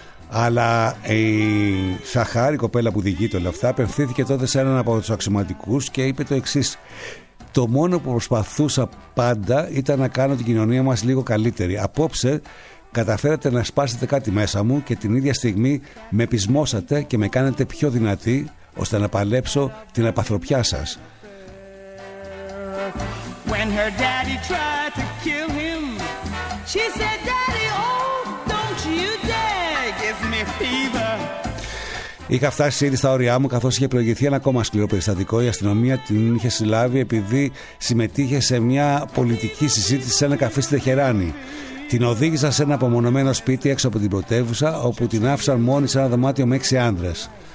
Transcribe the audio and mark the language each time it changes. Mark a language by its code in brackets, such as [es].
[el] Αλλά η Σαχάρη, η κοπέλα που διηγείται όλα αυτά, απευθύνθηκε τότε σε έναν από τους αξιωματικούς και είπε το εξής: το μόνο που προσπαθούσα πάντα ήταν να κάνω την κοινωνία μας λίγο καλύτερη. Απόψε καταφέρατε να σπάσετε κάτι μέσα μου και την ίδια στιγμή με πεισμώσατε και με κάνετε πιο δυνατή ώστε να παλέψω την απαθροπιά σας. [en] When her daddy tried to kill him, she said, daddy, oh, don't you dare give me fever. [el] Είχα φτάσει ήδη στα όριά μου καθώς είχε προηγηθεί ένα ακόμα σκληρό περιστατικό. Η αστυνομία την είχε συλλάβει επειδή συμμετείχε σε μια πολιτική συζήτηση σε ένα καφέ στη Τεχεράνη. Την οδήγησα σε ένα απομονωμένο σπίτι έξω από την πρωτεύουσα, όπου την άφησαν μόνη σε ένα δωμάτιο με 6 άνδρες.